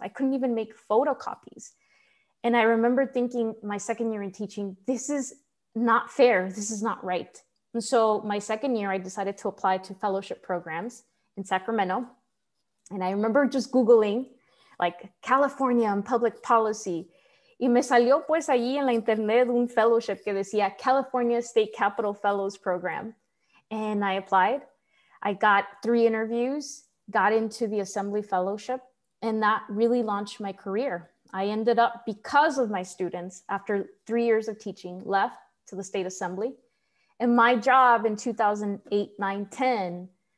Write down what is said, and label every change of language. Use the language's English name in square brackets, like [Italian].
[English] I couldn't even make photocopies. And I remember thinking my second year in teaching, this is not fair. This is not right. And so my second year, I decided to apply to fellowship programs in Sacramento. And I remember just Googling like California and public policy. [Spanish] Y me salió pues allí en la internet un fellowship que decía California State Capital Fellows Program. [English] And I applied. I got three interviews, got into the Assembly Fellowship, and that really launched my career. I ended up, because of my students, after 3 years of teaching, left to the State Assembly. And my job in 2008, 9, 10,